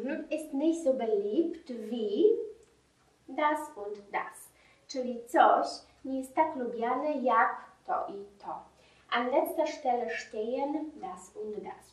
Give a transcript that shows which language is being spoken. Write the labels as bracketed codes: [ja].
[de] Ist nicht so beliebt wie das und das. [pl] Czyli coś nie jest tak lubiane jak to i to. [de] An letzter Stelle stehen das und das.